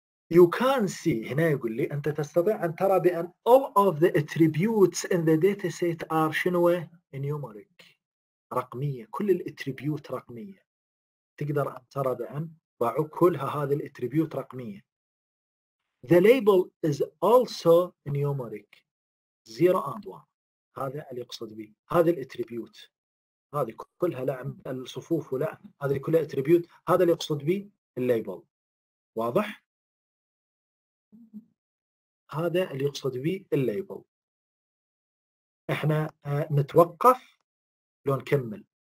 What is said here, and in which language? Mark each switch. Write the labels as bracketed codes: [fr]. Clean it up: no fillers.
[en] You can see [ar] هنا يقول لي أنت تستطيع أن ترى بأن [en] all of the attributes in the dataset are [ar] شنو؟ numeric رقمية، كل الاتريبيوت رقمية. تقدر أن ترى بأن ضعوا كلها هذه الاتريبيوت رقمية. [en] The label is also numeric 0 and 1. [ar] هذا اللي يقصد به هذا الاتريبيوت، هذه كلها لا الصفوف ولا هذه كلها اتريبيوت، هذا اللي يقصد به الليبل. واضح؟ هذا اللي يقصد به الليبل. احنا نتوقف لو نكمل